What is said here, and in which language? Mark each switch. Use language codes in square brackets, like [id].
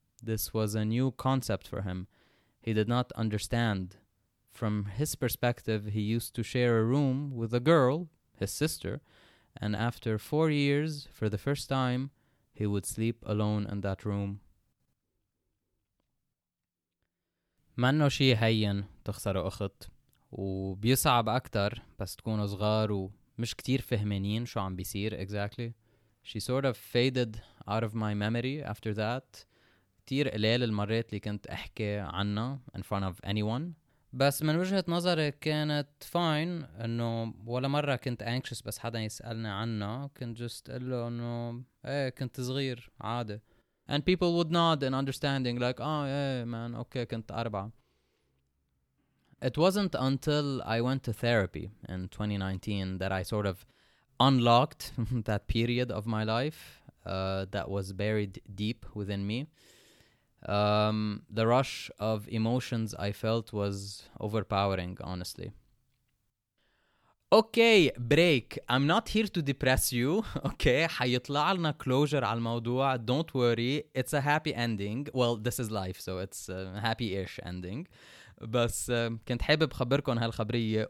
[en] This was a new concept for him. He did not understand. From his perspective, he used to share a room with a girl, his sister, and after 4 years, for the first time, he would sleep alone in that room. [ar] منو شي هين تخسر أخت وبيصعب أكتر بس تكونوا صغار ومش كتير فهمانين شو عم بيصير exactly. [en] She sort of faded out of my memory after that. [ar] كتير قليل المرات اللي كنت أحكي عنها [en] in front of anyone. [ar] بس من وجهة نظري كانت fine أنه ولا مرة كنت anxious بس حدا يسألني عنها. كنت just قل له أنه إيه كنت صغير عادي. [en] And people would nod in understanding, like, oh, yeah, man, okay, [ar] كنت 4. [en] It wasn't until I went to therapy in 2019 that I sort of unlocked that period of my life that was buried deep within me. The rush of emotions I felt was overpowering, honestly. Okay, break. I'm not here to depress you, okay? [ar] حيطلع لنا [en] closure [ar] على الموضوع. [en] Don't worry. It's a happy ending. Well, this is life, so it's a happy-ish ending. [ar] بس كنت حابب خبركم هالخبرية.